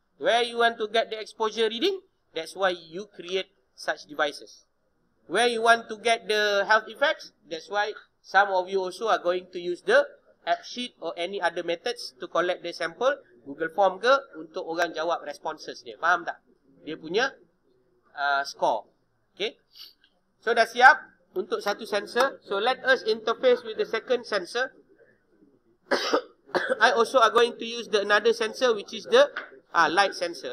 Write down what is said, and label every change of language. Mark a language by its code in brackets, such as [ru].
[en] Where you want to get the exposure reading, that's why you create such devices. Where you want to get the health effects, that's why some of you also are going to use the app sheet or any other methods to collect the sample, Google form [ms] ke, untuk orang jawab responses dia. Faham tak? Dia punya score. Okay. So dah siap untuk satu sensor. [en] So let us interface with the second sensor. I also are going to use the another sensor, which is the light sensor.